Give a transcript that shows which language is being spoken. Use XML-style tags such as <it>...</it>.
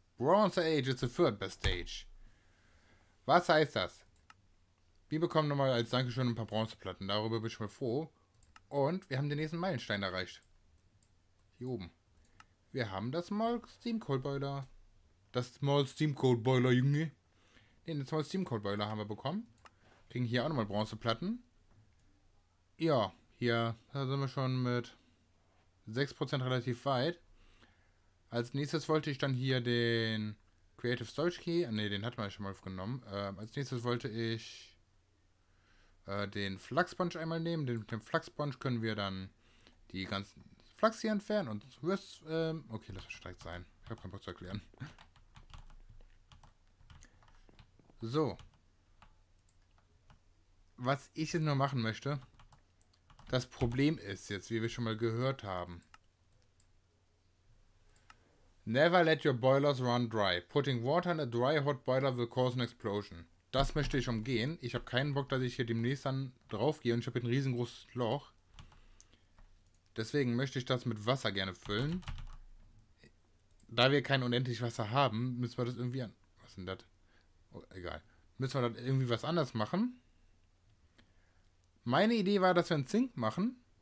<en>Bronze Age is the third best stage.</en> <de>Was heißt das? Wir bekommen nochmal als Dankeschön ein paar Bronzeplatten. Darüber bin ich mal froh. Und wir haben den nächsten Meilenstein erreicht. Hier oben. Wir haben das Small Steam Coal Boiler. Das Small Steam Coal Boiler, Junge. Ne, den Small Steam Coal Boiler haben wir bekommen. Kriegen hier auch nochmal Bronzeplatten. Ja, hier, da sind wir schon mit 6% relativ weit. Als nächstes wollte ich dann hier den Creative Storage Key. Ne, den hatten wir schon mal genommen. Als nächstes wollte ich den Flux Sponge einmal nehmen. Mit dem Flux Sponge können wir dann die ganzen Flux hier entfernen und wirst. Okay, lass es direkt sein. Ich habe keinen Bock zu erklären. So. Was ich jetzt nur machen möchte, das Problem ist jetzt, wie wir schon mal gehört haben.</de> <en>Never let your boilers run dry. Putting water in a dry hot boiler will cause an explosion.</en> <de>Das möchte ich umgehen. Ich habe keinen Bock, dass ich hier demnächst dann drauf gehe und ich habe hier ein riesengroßes Loch. Deswegen möchte ich das mit Wasser gerne füllen. Da wir kein unendlich Wasser haben, müssen wir das irgendwie an. Was denn das? Oh, egal. Müssen wir dann irgendwie was anders machen? Meine Idee war, dass wir einen Zink machen.</de>